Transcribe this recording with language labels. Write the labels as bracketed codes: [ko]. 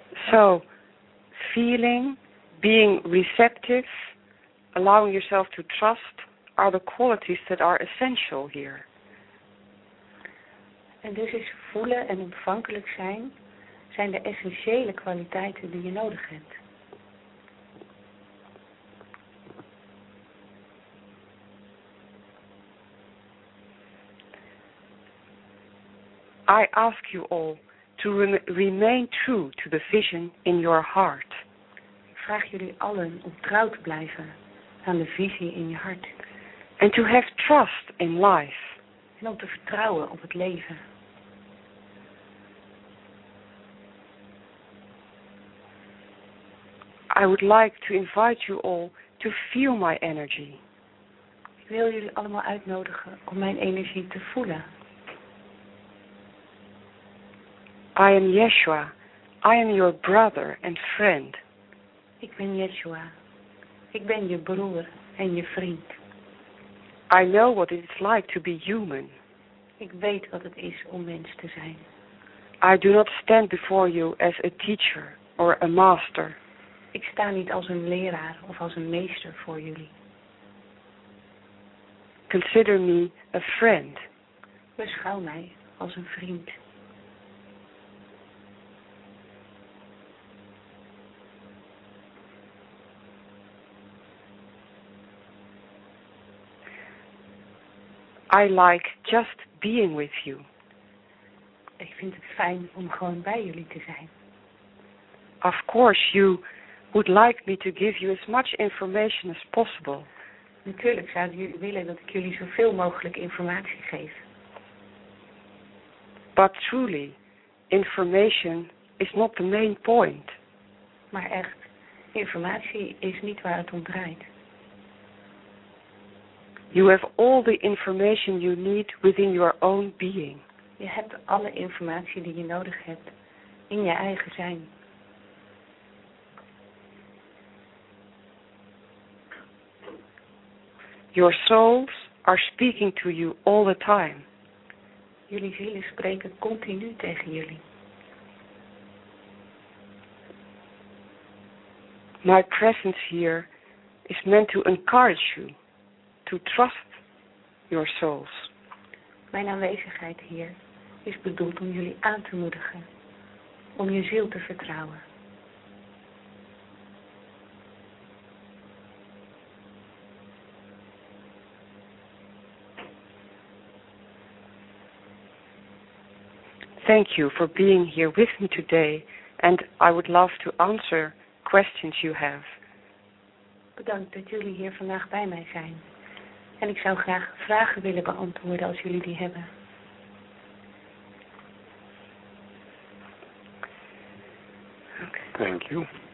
[en] So, feeling, being receptive, allowing yourself to trust are the qualities that are essential here. [nl] En dus is voelen en ontvankelijk zijn de essentiële kwaliteiten die je nodig hebt. [en] I ask you all to remain true to the vision in your heart. [nl] Ik vraag jullie allen om trouw te blijven aan de visie in je hart. [en] And to have trust in life. [nl] En om te vertrouwen op het leven. [en] I would like to invite you all to feel my energy. [nl] Ik wil jullie allemaal uitnodigen om mijn energie te voelen. [en] I am Yeshua. I am your brother and friend. [nl] Ik ben Yeshua. Ik ben je broer en je vriend. [en] I know what it is like to be human. [nl] Ik weet wat het is om mens te zijn. [en] I do not stand before you as a teacher or a master. [nl] Ik sta niet als een leraar of als een meester voor jullie. [en] Consider me a friend. [nl] Beschouw mij als een vriend. [en] I like just being with you. [nl] Ik vind het fijn om gewoon bij jullie te zijn. [en] Of course you would like me to give you as much information as possible. [nl] Natuurlijk zou je willen dat ik jullie zoveel mogelijk informatie geef. [en] But truly, information is not the main point. [nl] maar echt, informatie is niet waar het om draait. [en] You have all the information you need within your own being. [nl] Je hebt alle informatie die je nodig hebt in je eigen zijn. [en] Your souls are speaking to you all the time. [nl] Jullie zielen spreken continu tegen jullie. [en] My presence here is meant to encourage you to trust your souls. [nl] Mijn aanwezigheid hier is bedoeld om jullie aan te moedigen, om je ziel te vertrouwen. [en] Thank you for being here with me today, and I would love to answer questions you have. [nl] Bedankt dat jullie hier vandaag bij mij zijn. En ik zou graag vragen willen beantwoorden als jullie die hebben. [en] Thank you.